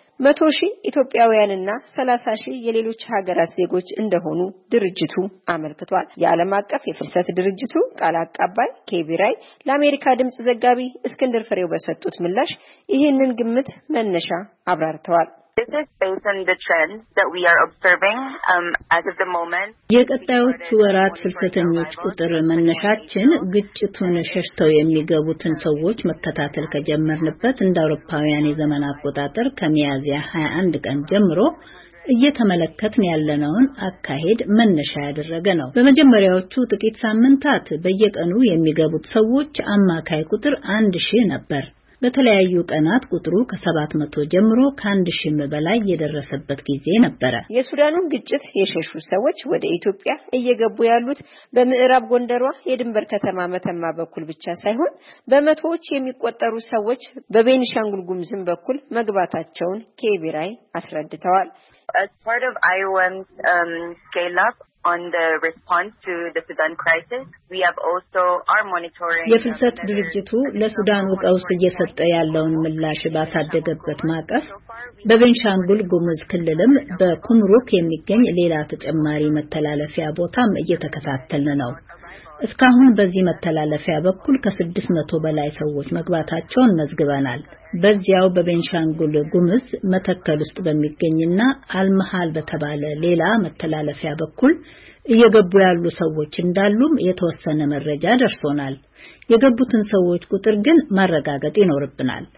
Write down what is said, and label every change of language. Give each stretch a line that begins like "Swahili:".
Amharic: 100000 ኢትዮጵያውያንና 30000 የሌሎች ሀገራት ዜጎች እንደሆኑ ድርጅቱ አመልክቷል። የዓለም አቀፍ የፍልሰት ድርጅቱ ቃል አቀባይ ኬቪራይ ለአሜሪካ ድምጽ ዘጋቢ እስክንድር ፍሬው በሰጡት ምላሽ ይህንን ግምት መነሻ አብራርተዋል።
English: This is based on the trend that we are observing as of the moment.
Amharic: የቀጣዮቹ ወራት ፍልሰተኞች ቁጥር መነሻችን ግጭቱን ሸሽተው የሚገቡትን ሰዎች መከታተል ከጀመርንበት እንደ አውሮፓውያን የዘመን አቆጣጠር ከሚያዝያ 21 ቀን ጀምሮ እየተመለከትን ያለነውን አካሄድ መነሻ ያደረገ ነው። በመጀመሪያዎቹ ጥቂት ሳምንታት በየቀኑ የሚገቡት ሰዎች አማካይ ቁጥር 1000 ነበር። በተለያዩ ቀናት ቁጥሩ ከ700 ጀምሮ ከ1000 በላይ የደረሰበት ጊዜ ነበር። የሱዳኑን ግጭት የሸሹ ሰዎች ወደ ኢትዮጵያ እየገቡ ያሉት በምዕራብ ጎንደሯ የድንበር ከተማ መተማ በኩል ብቻ ሳይሆን በመቶዎች የሚቆጠሩ ሰዎች በቤኒሻንጉል ጉምዝም በኩል መግባታቸውን ኬቪራይ አስረድተዋል።
English: As part of IOM's scale up on the response to the Sudan crisis, we have also our monitoring.
Amharic: የፍልሰት ድርጅቱ ለሱዳን ቀውስ እየሰጠ ያለውን ምላሽ ባሳደገበት ማቀፍ በቤንሻንጉል ጉሙዝ ክልልም በኩምሩክ የሚገኝ ሌላ ተጨማሪ መተላለፊያ ቦታም እየተከታተልን ነው። እስካሁን በዚህ መተላለፊያ በኩል ከ600 በላይ ሰዎች መግባታቸውን መዝግበናል። በዚያው በቤንሻንጉል ጉምዝ መተከል ውስጥ በሚገኝና አልመሃል በተባለ ሌላ መተላለፊያ በኩል እየገቡ ያሉ ሰዎች እንዳሉም የተወሰነ መረጃ ደርሶናል። የገቡትን ሰዎች ቁጥር ግን ማረጋገጥ ይኖርብናል።